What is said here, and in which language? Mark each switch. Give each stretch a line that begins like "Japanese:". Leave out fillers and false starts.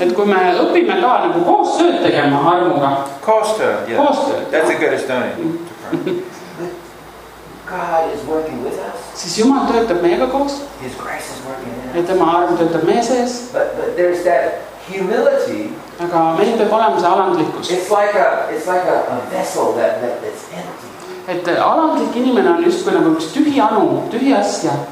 Estonian: Et kui me õpime ka nagu koos tööd tegema armuga.
English: Koostöö. That's a good Estonian. God is working with us.
Estonian: Siis Jumal töötab meiega koos.
English: His grace is working.
Estonian: Ja tema arm töötab meie sees.
English: But there's that humility.
Estonian: Aga meil peab olema see alandlikkus.
English: It's like a vessel that's empty.
Estonian: Et alandlik inimene on just kui nagu üks tühi anu, tühi asja.